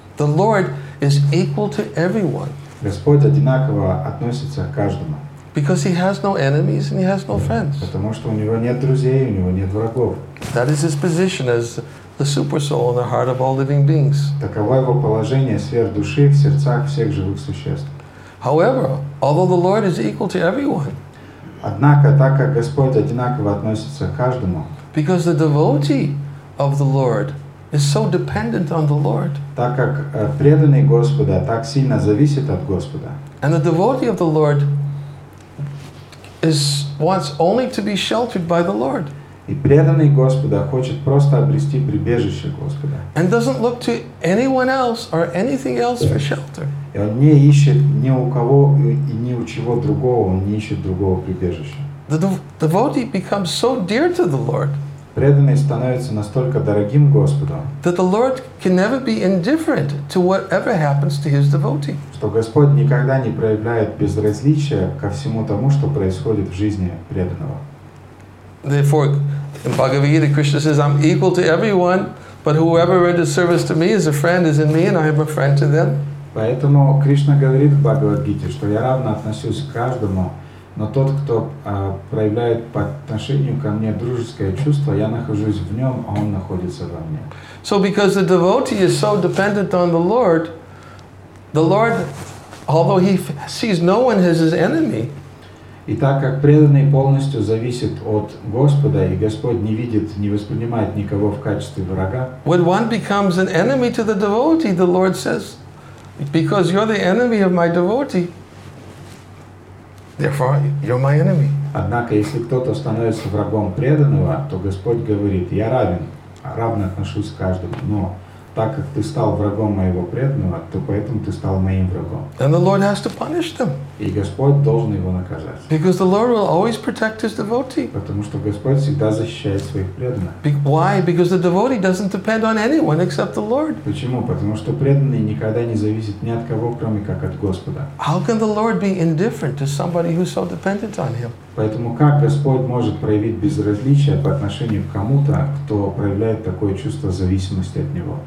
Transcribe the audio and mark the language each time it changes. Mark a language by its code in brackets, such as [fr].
[en] The Lord is equal to everyone. [ru] Господь одинаково относится к каждому. [en] Because he has no enemies and he has no friends. [ru] Потому что у него нет друзей, у него нет врагов. [en] That is his position as the supersoul in the heart of all living beings. [ru] Таково его положение сверхдуши в сердцах всех живых существ. [en] However, although the Lord is equal to everyone. [ru] Однако, так как Господь одинаково относится к каждому. [en] Because the devotee of the Lord is so dependent on the Lord. [ru] Так как преданный Господа так сильно зависит от Господа. [en] And the devotee of the Lord is wants only to be sheltered by the Lord. [ru] И преданный Господа хочет просто обрести прибежище Господа. [en] And doesn't look to anyone else or anything else for shelter. [ru] И он не ищет ни у кого и ни у чего другого, он не ищет другого прибежища. [en] The devotee becomes so dear to the Lord. [ru] Преданный становится настолько дорогим Господу. [en] That the Lord can never be indifferent to whatever happens to his devotee. [ru] Что Господь никогда не проявляет безразличия ко всему тому, что происходит в жизни преданного. [en] Therefore, in Bhagavad Gita, Krishna says, I'm equal to everyone, but whoever renders service to me as a friend is in me, and I am a friend to them. [ru] Поэтому Кришна говорит в Бхагавад-гите, что я равно отношусь к каждому, но тот, кто проявляет по отношению ко мне дружеское чувство, я нахожусь в нем, а он находится во мне. [en] So because the devotee is so dependent on the Lord, although he sees no one as his enemy, [ru] и так как преданный полностью зависит от Господа, и Господь не видит, не воспринимает никого в качестве врага. [en] When one becomes an enemy to the devotee, the Lord says, because you're the enemy of my devotee, therefore you're my enemy. [ru] Однако, если кто-то становится врагом преданного, то Господь говорит, я равен, равно отношусь к каждому, но так как ты стал врагом моего преданного, то поэтому ты стал моим врагом. [en] And the Lord has to punish them. [ru] И Господь должен его наказать. [en] Because the Lord will always protect his devotee. [ru] Потому что Господь всегда защищает своих преданных. [en] Why? Because the devotee doesn't depend on anyone except the Lord. [ru] Почему? Потому что преданный никогда не зависит ни от кого, кроме как от Господа. [en] How can the Lord be indifferent to somebody who's so dependent on him? [ru] Поэтому как Господь может проявить безразличие по отношению к кому-то, кто проявляет такое чувство зависимости от Него?